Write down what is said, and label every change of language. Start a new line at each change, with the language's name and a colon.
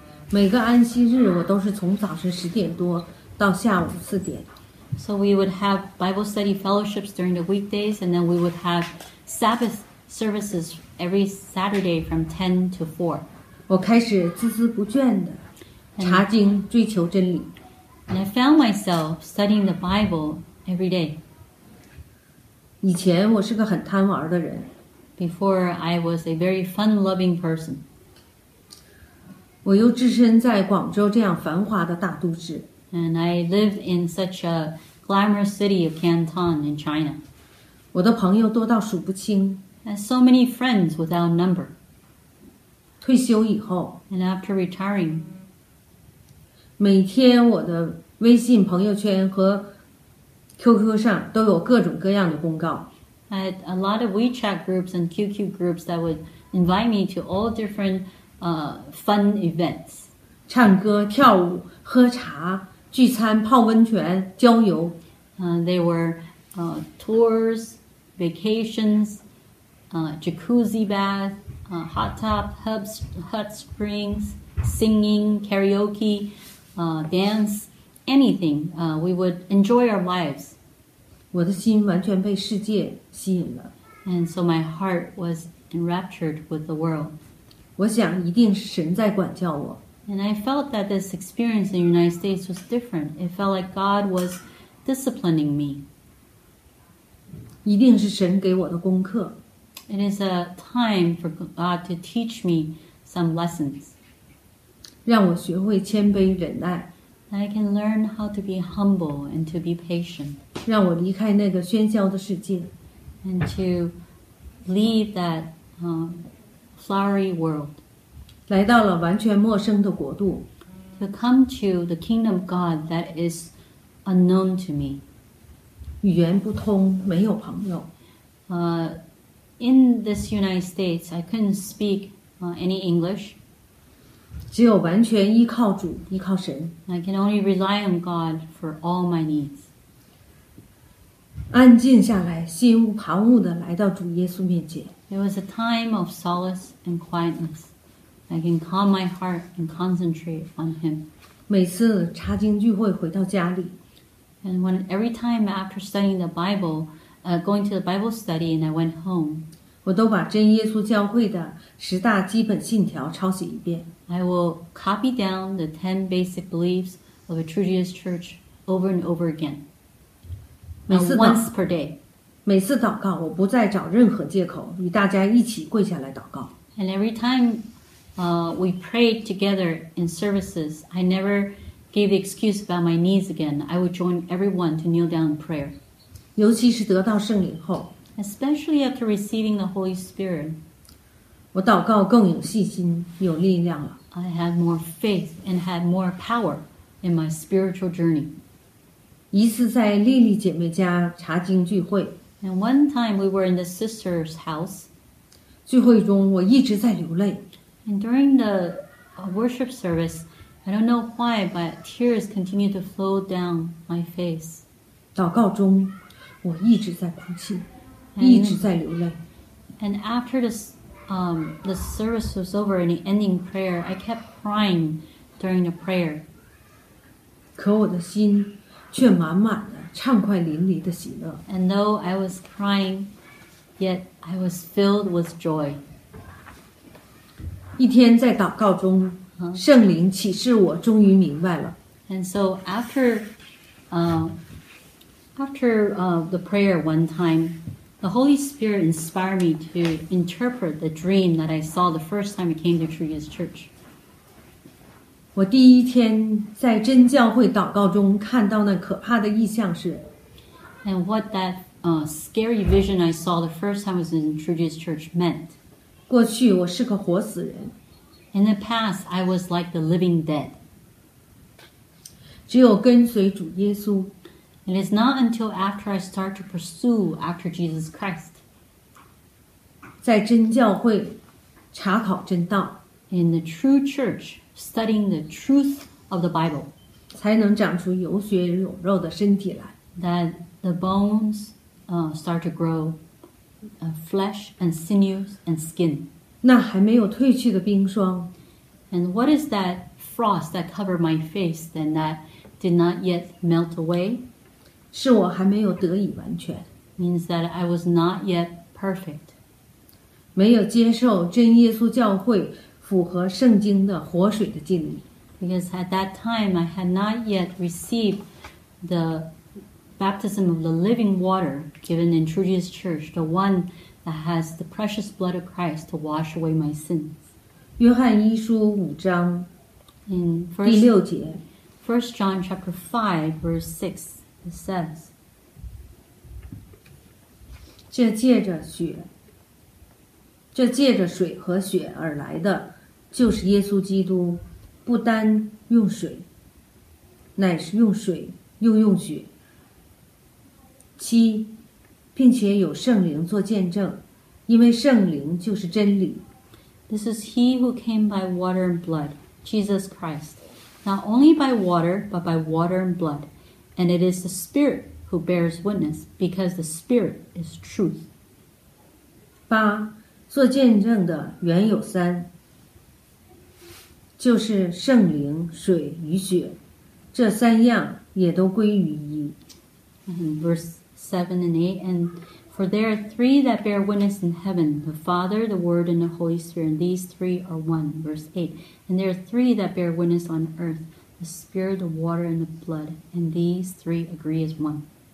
Chinese: 每个安息日，我都是从早晨十点多到下午四点。
English: So we would have Bible study fellowships during the weekdays, and then we would have Sabbath services every Saturday from 10 to 4.
Chinese: 我开始孜孜不倦的查经，追求真理。
English: And I found myself studying the Bible every day.
Chinese: 以前我是个很贪玩的人
English: Before I was a very fun-loving person
Chinese: 我又置身在广州这样繁华的大都市
English: And I live in such a glamorous city of Canton in China
Chinese: 我的朋友多到数不清
English: And so many friends without number
Chinese: 退休以后
English: And after retiring
Chinese: 每天我的微信朋友圈和QQ 上都有各种各样的公告。
English: I had a lot of WeChat groups and QQ groups that would invite me to all different fun events.
Chinese: 唱歌、跳舞、喝茶、聚餐、泡温泉、郊游。
English: They were tours, vacations, jacuzzi bath, hot tub, hot springs, singing, karaoke, dance, anything. We would enjoy our lives.
Chinese: 我的心完全被世界吸引了
English: And so my heart was enraptured with the world
Chinese: 我想一定是神在管教我
English: And I felt that this experience in the United States was different It felt like God was disciplining me
Chinese: 一定是神给我的功课
English: It is a time for God to teach me some lessons
Chinese: 让我学会谦卑忍耐
English: I can learn how to be humble and to be patient
Chinese: 让我离开那个喧嚣的世界
English: ，and to leave that flowery world，
Chinese: 来到了完全陌生的国度
English: ，to come to the kingdom of God that is unknown to me，
Chinese: 语言不通，没有朋友。
English: In this United States, I couldn't speak any English，
Chinese: 只有完全依靠主，依靠神。
English: I can only rely on God for all my needs。
Chinese: 安静下来，心无旁骛地来到主耶稣面前。
English: It was a time of solace and quietness. I can calm my heart and concentrate on Him.
Chinese: 每次查经聚会回到家里
English: ，and when every time after studying the Bible, going to the Bible study, and I went home,
Chinese: 我都把真耶稣教会的十大基本信条抄写一遍。
English: I will copy down the 10 basic beliefs of a True Jesus Church over and over again. Once per day.
Chinese: 每次祷告，我不再找任何借口，与大家一起跪下来祷告。
English: And every time, we prayed together in services, I never gave the excuse about my knees again. I would join everyone to kneel down in prayer.
Chinese: 尤其是得到圣灵后。
English: Especially after receiving the Holy Spirit.
Chinese: 我祷告更有信心，有力量了。
English: I had more faith and had more power in my spiritual journey.
Chinese: 一次在莉莉姐妹家查经聚会。
English: And one time we were in the sister's house.
Chinese: 聚会中我一直在流泪。
English: And during the worship service, I don't know why, but tears continued to flow down my face.
Chinese: 祷告中我一直在哭泣，一直在流泪。
English: And after this,the service was over and the ending prayer, I kept crying during the prayer.
Chinese: 可我的心却满满的畅快淋漓的喜乐。
English: And though I was crying, yet I was filled with joy.
Chinese: 一天在祷告中，圣灵启示我终于明白了。
English: And so after the prayer one time, the Holy Spirit inspired me to interpret the dream that I saw the first time I came to Trinity Church.
Chinese: 我第一天在真教会祷告中看到那可怕的异象是。
English: And what that scary vision I saw the first time I was in Trinity Church meant.
Chinese: 过去我是个活死人。
English: In the past, I was like the living dead.
Chinese: 只有跟随主耶稣。
English: It is not until after I start to pursue after Jesus Christ.
Chinese: 在真教会查考真道。
English: In the true church, studying the truth of the Bible.
Chinese: 才能长出有血有肉的身体来。
English: That the bones start to grow flesh and sinews and skin.
Chinese: 那还没有褪去的冰霜。
English: And what is that frost that covered my face then that did not yet melt away?
Chinese: 是我还没有得以完全。
English: Means that I was not yet perfect.
Chinese: 没有接受真耶稣教会符合圣经的活水的浸礼。
English: Because at that time I had not yet received the baptism of the living water given in True Jesus Church, the one that has the precious blood of Christ to wash away my sins.
Chinese: 约翰一书五章第六节。
English: First John chapter 5 verse 6. It says,
Chinese: 这借着水和血而来的就是耶稣基督，不单用水，乃是用水又用血。七，并且有圣灵做见证，因为圣灵就是真理。
English: This is he who came by water and blood, Jesus Christ. Not only by water, but by water and blood. And it is the Spirit who bears witness, because the Spirit is truth.
Chinese: 八，做见证的原有三，就是圣灵、水与血，这三样也都归于一。
English: Verse 7 and 8, and for there are three that bear witness in heaven, the Father, the Word, and the Holy Spirit, and these three are one. Verse 8, and there are three that bear witness on earth,The spirit, the water, and the blood, and these three agree as one.